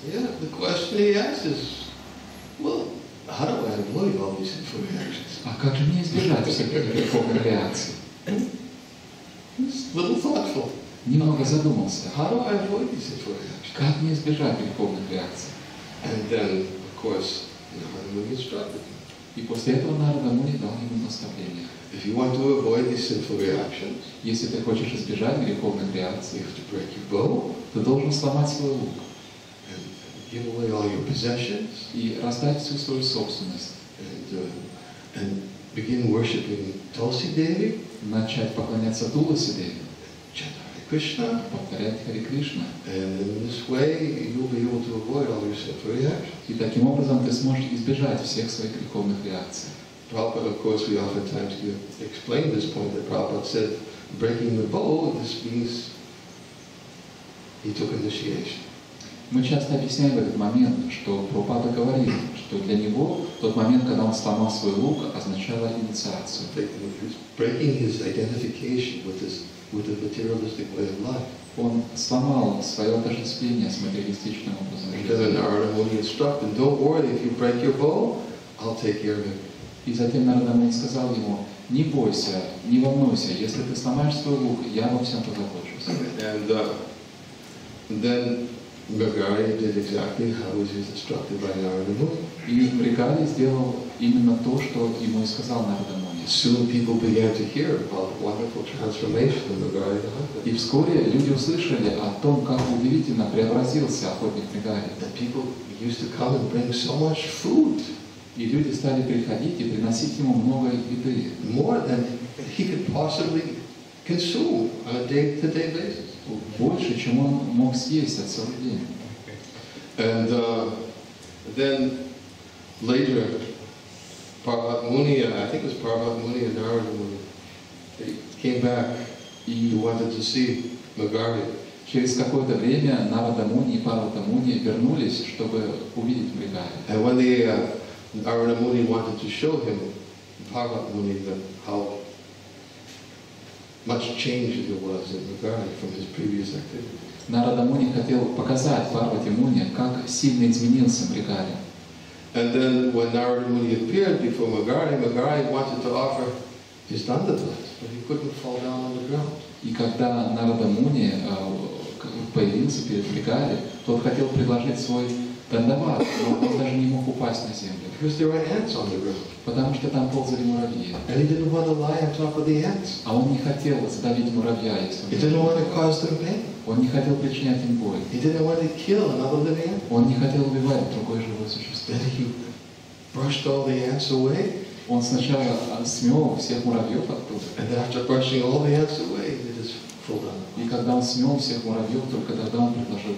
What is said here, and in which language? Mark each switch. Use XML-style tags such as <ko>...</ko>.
<en>Yeah, the question he asked is, well, how do I avoid all these reactions?</en> <ru>А как же мне избежать всех этих реформ реакций?</ru> <en>A little thoughtful.</en> <ru>Немного задумался.</ru> <en>How do I avoid these reactions?</en> <ru>Как мне избежать греховных реакций?</ru> <en>And then, of course, Narada Muni instructed him.</en> <ru>И после этого Нарада Муни дал ему наставление.</ru> <en>If you want to avoid these sinful reactions,</en> <ru>если ты хочешь избежать греховных реакций,</ru> <en>you have to break your bow.</en> <ru>Ты должен сломать свой лук.</ru> <en>And give away all your possessions.</en> <ru>И раздать всю свою собственность.</ru> <en>And begin worshiping Tulsi Devi.</en> <ru>Начать поклоняться Туласи Деви.</ru> <en>Chant Hare Krishna.</en> <ru>Повторять Хари Кришна.</ru> <en>And in this way you'll be able to avoid all your sinful reactions.</en> <ru>И таким образом ты сможешь избежать всех своих греховных реакций.</ru> <en>Prabhupada, of course, we oftentimes explain this point that Prabhupada said, breaking the bow, this means he took initiation.</en> <ru>Мы часто объясняем в этот момент, что Прабхупада говорит, что для него тот момент, когда он сломал свой лук, означало инициацию.</ru> <en>Breaking his identification with the materialistic way of life.</en> <ru>Он сломал свое отождествление с материалистичным образом жизни.</ru> <en>Because Narada Muni instructed, don't worry, if you break your bow, I'll take care of it.</en> <ru>И затем Нарада Муни сказал ему, не бойся, не волнуйся, если ты сломаешь свой лук, я во всем позабочусь.</ru> <en>And then Мригари did exactly how he was instructed by Narada Muni.</en> <ru>И Мригари сделал именно то, что ему и сказал Нарада Муни.</ru> <en>Soon people began to hear about the wonderful transformation of Мригари the hunter.</en> <ru>И вскоре люди услышали о том, как удивительно преобразился охотник Мригари.</ru> <en>That people used to come and bring so much food.</en> <ru>И люди стали приходить и приносить ему много еды.</ru> <en>More than he could possibly consume on a day-to-day basis.</en> <ru>Больше, чем он мог съесть от целый день.</ru> <en>And then later, Prabhupada Muni, I think it was Prabhupada Muni and Narada Muni, they came back and wanted to see Мригари.</en> <ru>Через какое-то время Нарада Муни и Прабхупада Муни вернулись, чтобы увидеть Мригари.</ru> <en>And when the Narada Muni wanted to show him, Prabhupada Muni, how much change there was in Мригари from his previous activity.</en> <ru>Нарада Муни хотел показать Парвати Муни, как сильно изменился Мригари.</ru> <en>And then when Narada Muni appeared before Мригари, Мригари wanted to offer his dandavat, but he couldn't fall down on the ground.</en> <ru>И когда Нарада Муни появился перед Мригари, тот хотел предложить свой дандават, но он даже не мог упасть на землю.</ru> <en>Because there were ants on the ground.</en> <ru>Потому что там ползали муравьи.</ru> <en>And he didn't want to lie on top of the ants.</en> <ru>А он не хотел задавить муравья, если</ru> <en>he didn't want to cause them pain.</en> <ru>Он не хотел причинять им боль.</ru> <en>He didn't want to kill another living ant.</en> <ru>Он не хотел убивать другое живое существо.</ru> <en>Then he brushed all the ants away.</en> <ru>Он сначала смел всех муравьев оттуда.</ru> <en>And after brushing all the ants away, he did his</en> <ru>И когда он смел всех муравьев, только тогда он предложил</ru>